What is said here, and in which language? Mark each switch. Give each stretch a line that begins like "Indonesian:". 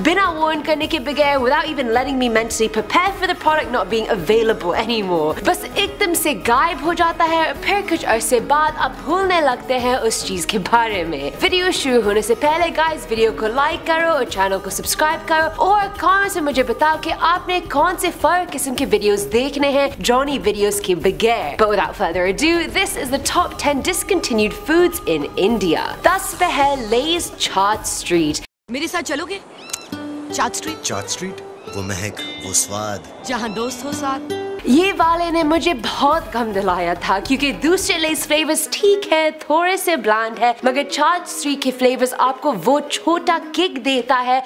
Hindi: Bina warn karne ke bagair,
English: without even letting me mentally prepare for the product not being available anymore.
Hindi: Bas ekdam se gayab ho jata है, फिर कुछ अरसे बाद आप भूलने लगते हैं उस चीज के बारे में. वीडियो शुरू होने से पहले गाइस वीडियो को लाइक करो और चैनल को सब्सक्राइब करो और कमेंट में मुझे बताओ कि आपने कौन से फर्क किस्म के वीडियोस देखने हैं जॉनी वीडियोस के बगैर.
English: But without further ado, this is the top 10 discontinued foods in India.
Hindi: दस पे है लेज चाट स्ट्रीट. मेरे साथ चलोगे चाट स्ट्रीट? चाट स्ट्रीट, वो महक, वो स्वाद, जहाँ दोस्त हो साथ. ये वाले ने मुझे बहुत गम दिलाया था क्योंकि दूसरे लेस फ्लेवर्स ठीक है, थोड़े से ब्लैंड है, मगर चाट स्ट्रीट के फ्लेवर्स आपको वो छोटा किक देता है.